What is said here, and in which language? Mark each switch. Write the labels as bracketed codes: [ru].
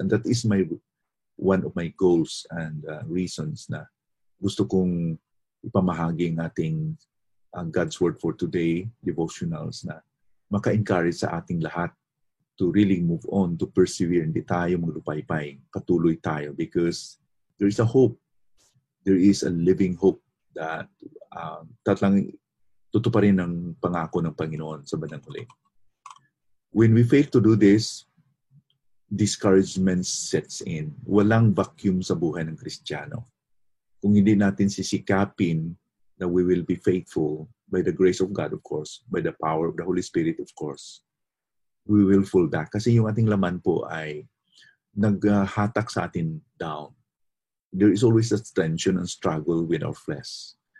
[en] And that is one of my goals and reasons [tl] na gusto kong ipamahagi ng ating [en] God's Word for Today devotionals [tl] na maka-encourage sa ating lahat [en] to really move on, to persevere, [tl] hindi tayo maglupay-pay, patuloy tayo, [en] because there is a hope. There is a living hope that [tl] tatlang tutuparin ng pangako ng Panginoon sa bandang huli. [en] When we fail to do this, discouragement sets in. [tl] Walang vacuum sa buhay ng Kristiyano. Kung hindi natin sisikapin na [en] we will be faithful by the grace of God, of course, by the power of the Holy Spirit, of course, we will fall back. [tl] Kasi yung ating laman po ay naghahatak sa atin down. [en] There is always a tension and struggle with our flesh.